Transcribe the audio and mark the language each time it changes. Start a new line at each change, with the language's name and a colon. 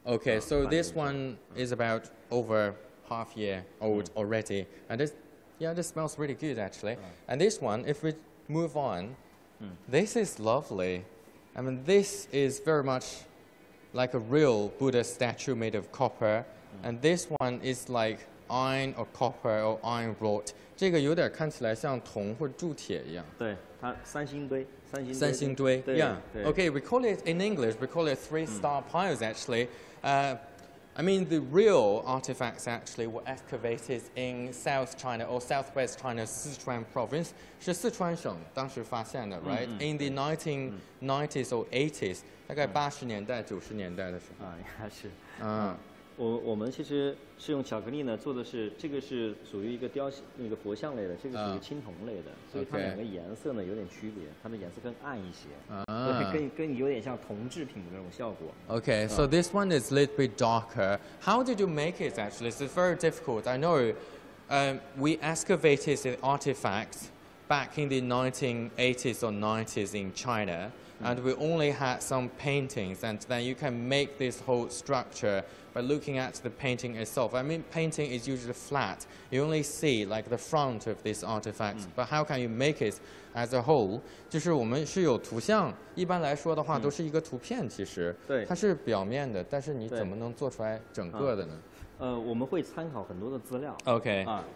English: Okay, so this one is about over half year old already, and this, yeah, this smells really good actually. And this one, if we move on, this is lovely. I mean, this is very much. Like a real Buddha statue made of copper, and this one is like iron or copper or iron wrought.
Chinese: 这个有点看起来像铜或铸铁一样。对，它三星堆，三星堆。
English: 三星堆 ，Yeah. Okay, we call it in English. We call it three star piles. Actually, I mean the real artifacts actually were excavated in South China or Southwest China, Sichuan Province.
Chinese: 是四川省当时发现的 ，
English: right? In the 1990s or 80s.
Chinese: 大概80年代、90年代的时候啊，应该是。我们其实是用巧克力呢做的是，这个是属于一个雕像，那个佛像类的，这个属于青铜类的，所以它两个颜色呢有点区别，它的颜色更暗一些，更有点像铜制品的那种效果。
English: Okay, so this one is a little bit darker. How did you make it? Actually, it's very difficult. I know, we excavated the artifacts. back in the 1980s or 90s in China, and we only had some paintings, and then you can make this whole structure by looking at the painting itself. I mean, painting is usually flat. You only see like the front of this artifact, but how can you make it as a whole?
Chinese: 就是我们是有图像，一般来说的话都是一个图片，其实它是表面的，但是你怎么能做出来整个的呢？我们会参考很多的资料。OK.